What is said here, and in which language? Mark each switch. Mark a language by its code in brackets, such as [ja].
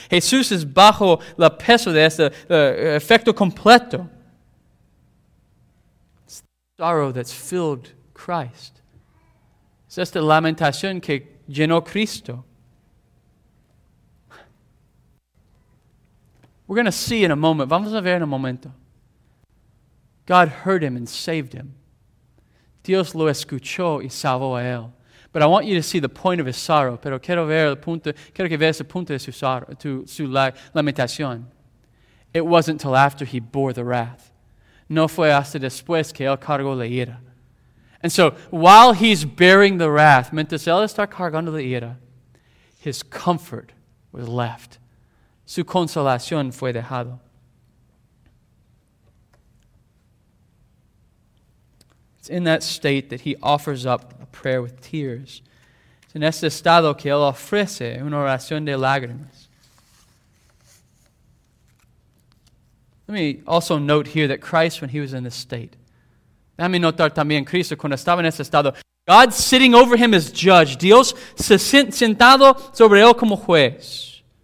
[es] Jesús es bajo el peso de ese efecto completo. [en] It's the sorrow that's filled Christ. [es] Es esta lamentación que llenó Cristo. [en] We're going to see in a moment. [es] Vamos a ver en un momento. [en] God heard him and saved him. [es] Dios lo escuchó y salvó a él. [en] But I want you to see the point of his sorrow. [es] Pero quiero ver el punto, quiero que veas el punto de su sorrow, to su lamentación. [en] It wasn't till after he bore the wrath. [es] No fue hasta después que él cargó la ira. [en] And so, while he's bearing the wrath, [es] mientras él está cargando la ira, [en] his comfort was left. [es] Su consolación fue dejado. [en] It's in that state that he offers up prayer with tears. [es] Es en este estado que él ofrece una oración de lágrimas. [en] Let me also note here that Christ, when he was in this state, [es] déjame notar también Cristo cuando estaba en este estado, [en] God sitting over him as judge, [es] Dios se sentado sobre él como juez.